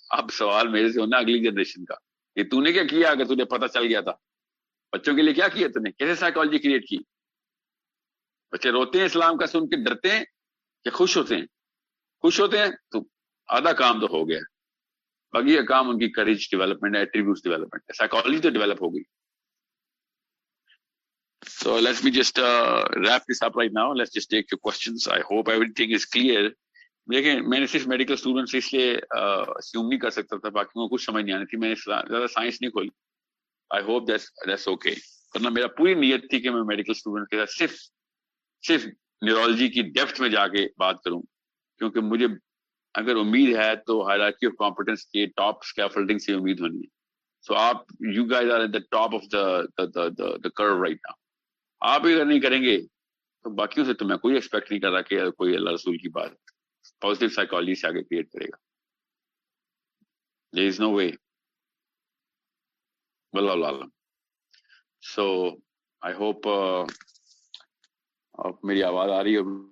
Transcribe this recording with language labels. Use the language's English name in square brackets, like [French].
[Urdu] اب سوال میرے سے ہونا اگلی جنریشن کا کہ تو نے کیا کیا اگر تجھے پتا چل گیا تھا, بچوں کے لیے کیا کیا تم نے, کیسے سائیکالوجی کریٹ کی؟ بچے روتے ہیں اسلام کا سن کے, ڈرتے ہیں کہ خوش ہوتے ہیں تو آدھا کام تو ہو گیا, باقی یہ کام ان کی کریج ڈیولپمنٹ ہے, ایٹریبیوٹس ڈیولپمنٹ ہے, سائیکالوجی تو ڈیولپ ہو گئی. [English] So let me just wrap this up right now. Let's just take your questions. I hope everything is clear. [Urdu] لیکن میں نے صرف میڈیکل اسٹوڈنٹس اس لیے اسیوم نہیں کر سکتا تھا, باقی کو کچھ سمجھ نہیں آنی تھی, میں نے زیادہ سائنس نہیں کھولی. [English] I hope that's okay, [Urdu] ورنہ میرا پوری نیت تھی کہ میں میڈیکل اسٹوڈنٹ کے ساتھ صرف نیورولوجی کی ڈیپتھ میں جا کے بات کروں, کیونکہ مجھے اگر امید ہے تو ہائرارکی آف کمپٹنس کے ٹاپ اسکیفولڈنگ سے امید ہونی ہے. [English] So آپ you guys are at the top of the crew right now. [Urdu] آپ اگر نہیں کریں گے تو باقیوں سے تو میں کوئی ایکسپیکٹ نہیں کر رہا کہ کوئی اللہ رسول کی بات پازیٹیو سائیکالوجی سے آگے کریٹ کرے گا. [English] there is no way, [Arabic] واللہ اعلم. [English] so I hope [Urdu] میری آواز آ رہی ہے.